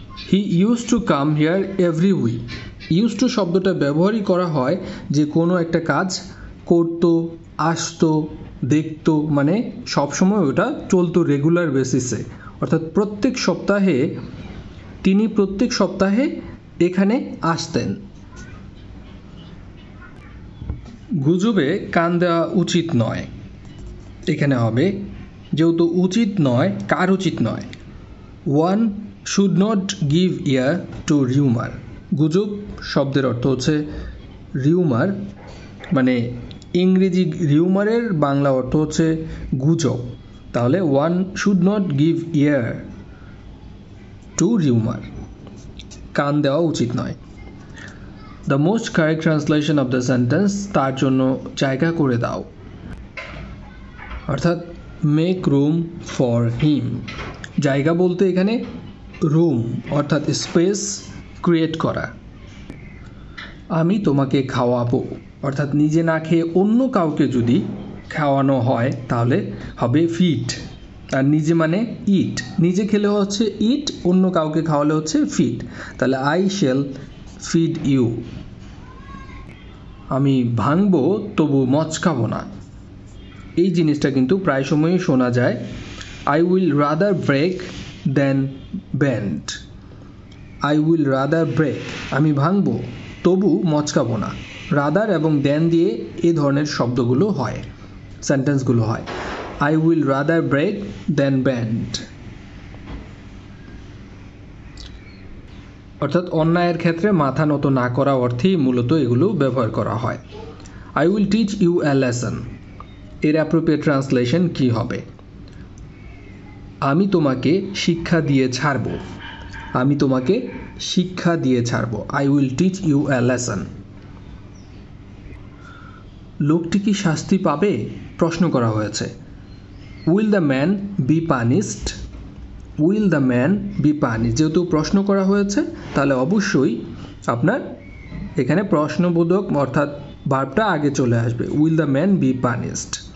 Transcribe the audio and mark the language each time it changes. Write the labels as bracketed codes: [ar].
[en] he use to come here every week, [bn] use to শব্দটা ব্যবহারই করা হয় যে কোনো একটা কাজ করতো, আসতো, দেখতো, মানে সবসময় ওটা চলতো রেগুলার বেসিসে, অর্থাৎ প্রত্যেক সপ্তাহে, তিনি প্রত্যেক সপ্তাহে এখানে আসতেন। গুজবে কান দেওয়া উচিত নয়, এখানে হবে যেহেতু উচিত নয়, কার উচিত নয়, [en] One should not give ear to rumor. [bn] গুজব শব্দের অর্থ হচ্ছে rumor, মানে ইংরেজি rumorের বাংলা অর্থ হচ্ছে গুজব। [en] তাহলে one should not give ear to rumor, [bn] কান দেওয়া উচিত নয়। [en] The most correct translation of the sentence, [bn] তার জন্য জায়গা করে দাও, অর্থাৎ [en] make room for him। [bn] জায়গা বলতে এখানে room অর্থাৎ space create করা। আমি তোমাকে খাওয়াবো অর্থাৎ নিজে না খেয়ে অন্য কাউকে যদি খাওয়ানো হয় তাহলে হবে feed। আর নিজে মানে eat, নিজে খেলে হচ্ছে eat, অন্য কাউকে খাওয়ালে হচ্ছে feed। তাহলে [en] I shall feed you, [bn] আমি ভাঙবো তবু মচকাবো না। এই জিনিসটা কিন্তু প্রায় সময়ই শোনা যায়, [en] I will rather break than bend, I will rather break, [bn] আমি ভাঙবো তবু মচকাবো না। rather এবং than দিয়ে এ ধরনের শব্দগুলো হয়, সেন্টেন্সগুলো হয়। [en] I will rather break than bend, [bn] অর্থাৎ অন্যায়ের ক্ষেত্রে মাথা নত না করা অর্থেই মূলত এগুলো ব্যবহার করা হয়। [en] I will teach you a lesson, এর appropriate translation [bn] কী হবে? আমি তোমাকে শিক্ষা দিয়ে ছাড়বো, আমি তোমাকে শিক্ষা দিয়ে ছাড়বো, [en] I will teach you a lesson। [bn] লোকটি কি শাস্তি পাবে প্রশ্ন করা হয়েছে, [en] will the man be punished, [bn] will the man be punished, যেহেতু প্রশ্ন করা হয়েছে তাহলে অবশ্যই আপনার এখানে প্রশ্নবোধক অর্থাৎ ভার্বটা আগে চলে আসবে, will the man be punished.